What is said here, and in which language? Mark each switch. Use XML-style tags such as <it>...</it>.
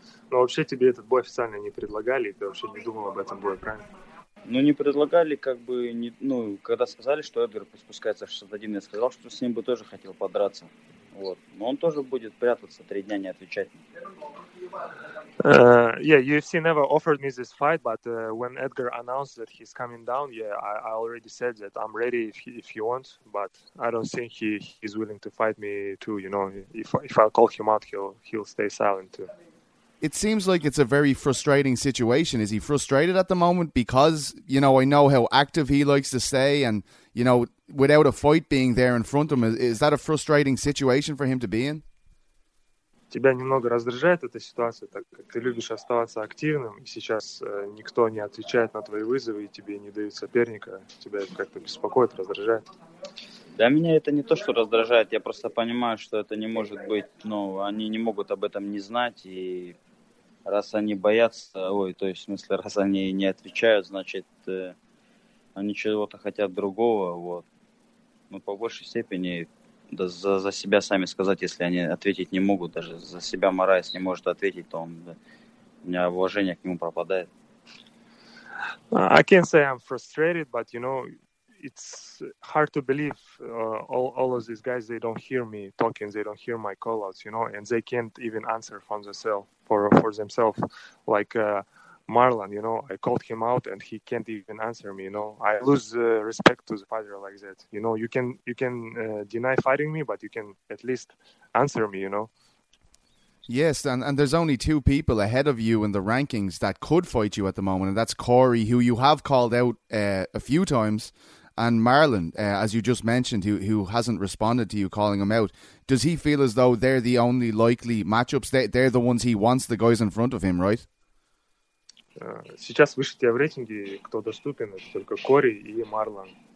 <ru>Ну вообще тебе этот бой официально не предлагали, ты вообще не думал об этом бое, правильно? Ну не предлагали, как бы не, ну когда сказали, что Эдгар спускается в 61, я сказал, что с ним бы тоже хотел подраться. Вот. Но он тоже будет прятаться, 3 дня не отвечать.</ru> <en>Yeah, UFC never offered me this fight, but when Edgar announced that he's coming down, yeah, I already said that I'm ready if he wants, but I don't think he's willing to fight me too, you know. If I call him out, he'll stay silent too. It seems like it's a very frustrating situation. Is he frustrated at the moment? Because, you know, I know how active he likes to stay, and, you know, without a fight being there in front of him, is that a frustrating situation for him to be in?</en> <ru>тебя немного раздражает эта ситуация, так как ты любишь оставаться активным, и сейчас никто не отвечает на твои вызовы, и тебе не дают соперника, тебя это как-то беспокоит, раздражает. Да, меня это не то, что раздражает, я просто понимаю, что это не может быть, ну, они не могут об этом не знать, и раз они боятся, раз они не отвечают, значит, они чего-то хотят другого, вот. Ну, по большей степени, да, за себя сами сказать, если они ответить не могут, даже за себя Морайс не может ответить, то у меня уважение к нему пропадает.</ru> <en>I can't say I'm frustrated, but, you know, it's hard to believe all of these guys, they don't hear me talking, they don't hear my call-outs, you know, and they can't even answer for themselves, like Marlon, you know, I called him out and he can't even answer me, you know. I lose respect to the fighter like that. You know, you can deny fighting me, but you can at least answer me, you know. Yes, and there's only two people ahead of you in the rankings that could fight you at the moment, and that's Corey, who you have called out a few times, and Marlon, as you just mentioned, who hasn't responded to you calling him out. Does he feel as though they're the only likely matchups? They're the ones he wants, the guys in front of him, right?</en> <ru>Сейчас выше тебя в рейтинге, кто доступен, это только Кори и Марлон.</ru>